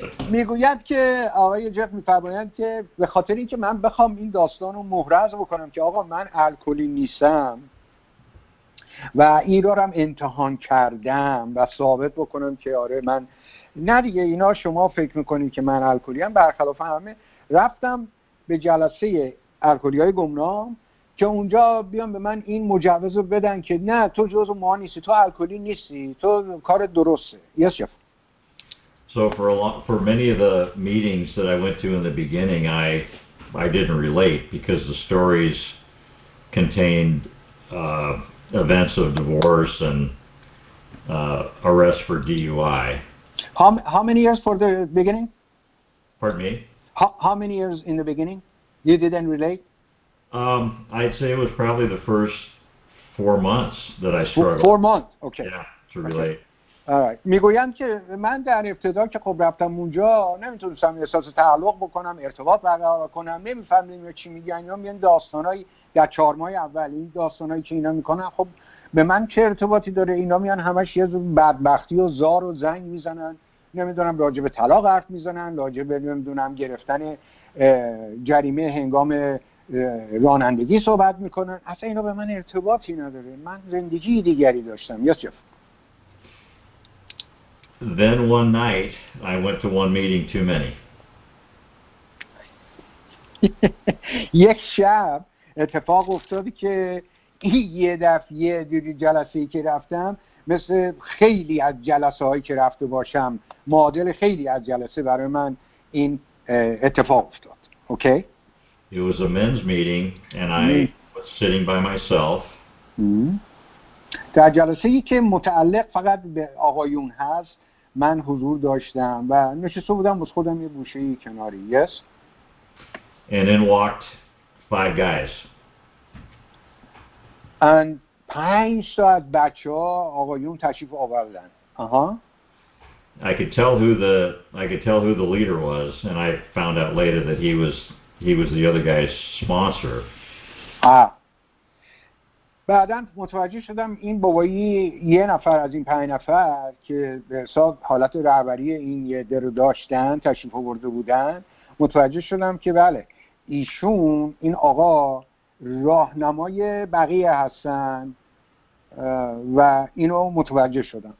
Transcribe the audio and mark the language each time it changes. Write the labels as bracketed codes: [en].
[fa] میگوید که آقای جف میفرمایند که به خاطر اینکه من بخوام این داستان رو محرز بکنم که آقا من الکلی نیستم و این را هم امتحان کردم و ثابت بکنم که آره من نه دیگه، اینا شما فکر میکنید که من الکلی هم، برخلاف همه، رفتم به جلسه الکلی های گمنام که اونجا بیان به من این مجوز رو بدن که نه تو جز ما نیستی، تو الکلی نیستی، تو کار درسته. [en] Yes Jeff. So for many of the meetings that I went to in the beginning, I didn't relate because the stories contained events of divorce and arrest for DUI. How many years for the beginning? Pardon me? How many years in the beginning? You didn't relate? I'd say it was probably the first 4 months that I struggled. 4 months, okay. Yeah, to relate. Okay. [fa] آره. میگویند که من در ابتدا که خب رفتم اونجا نمیتونستم احساس تعلق بکنم، ارتباط برقرار کنم، نمیفهمیدم چی میگن. یا میگن داستانای در 4 ماه اول، این داستانایی که اینا میکنن خب به من چه ارتباطی داره؟ اینا میان همش یه بدبختی و زار و زنگ میزنن، نمیدونم راجع به طلاق حرف میزنن، راجع به نمیدونم گرفتن جریمه هنگام رانندگی صحبت میکنن، اصلا اینا به من ارتباطی نداره، من زندگی دیگری داشتم. [en] Yes Jeff. Then one night, I went to one meeting too many. [fa] یک شب اتفاق افتاد که یه دفعه دیگه جلسه‌ای که رفتم مثل خیلی از جلسه‌هایی که رفته باشم معادل خیلی از جلسه برای من این اتفاق افتاد. [en] Okay? It was a men's meeting and I was sitting by myself. [fa] در جلسه‌ای که متعلق فقط به آقایون هست من حضور داشتم و نشسته بودم بس خودم یه گوشه کناری. [en] Yes. And in walked 5 guys. And [fa] 5 تا از بچه‌ها آقایون تشریف آوردن. [en] I could tell who the leader was and I found out later that he was the other guy's sponsor. [fa] بعدن متوجه شدم این بابایی یه نفر از این 5 نفر که به حساب حالت رهبری این یه درو داشتن، تشریف آورده بودن، متوجه شدم که بله ایشون، این آقا راهنمای بقیه هستن و اینو متوجه شدم.